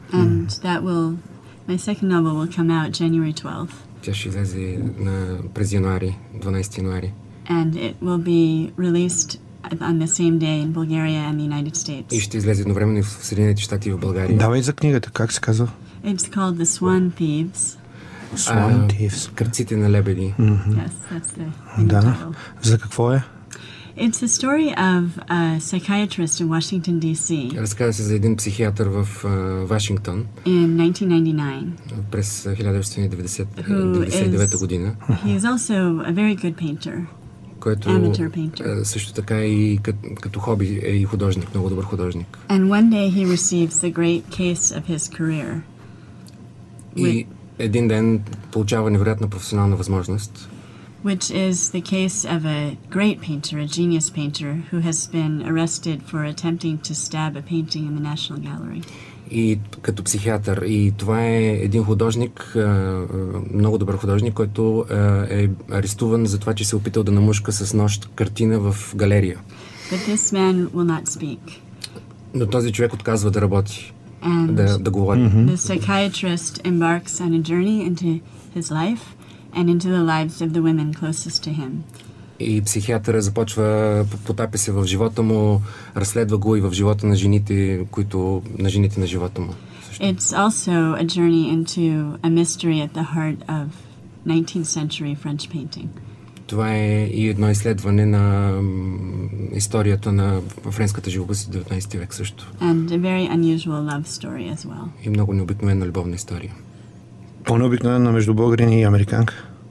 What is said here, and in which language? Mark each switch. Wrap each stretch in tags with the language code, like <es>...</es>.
<en>And that will, my second novel will come out January 12th.</en> <bg>Тя ще излезе през януари, 12 януари.</bg> <en>And it will be released on the same day in Bulgaria and the United States.</en> <bg>И ще излезе едновременно и в Съединените щати и в България. Давай за книгата, как се казва?</bg> <en>It's called The Swan Thieves. Swan Thieves.</en> <bg>Кръците на лебеди. Mm-hmm.</bg> <en>Yes, that's the title.</en> <bg>Да. За какво е?</bg> <en>It's the story of a psychiatrist in Washington D.C.</en> <bg>Разказва се за един психиатър в Вашингтон.</bg> <en>In 1999.</en> <bg>През 1999 година.</bg> <en>He is also a very good painter.</en> <bg>Който също така и като хоби е и художник, много добър художник.</bg> <en>And one day he receives the great case of his career.</en> <bg>И един ден получава невероятна професионална възможност.</bg> <en>Which is the case of a great painter, a genius painter, who has been arrested for attempting to stab a painting in the National Gallery.</en> <bg>И като психиатър. И това е един художник, много добър художник, който е арестуван за това, че се опитал да намушка с нож картина в галерия.</bg> <en>But this man will not speak.</en> <bg>Но този човек отказва да работи, да говори.</bg> <en>And the psychiatrist embarks on a journey into his life. And into the lives of the women closest to him.</en> <bg>И психиатърът започва, потапя се в живота му, разследва го и в живота на жените, които на жените на живота му. Също.</bg> <en>It's also a journey into a mystery at the heart of 19th century French painting.</en> <bg>Това е и едно изследване на историята на френската живопис от 19 век също.</bg> <en>And a very unusual love story as well.</en> <bg>И много необикновена любовна история. По-необикновена между българин и американка.</bg>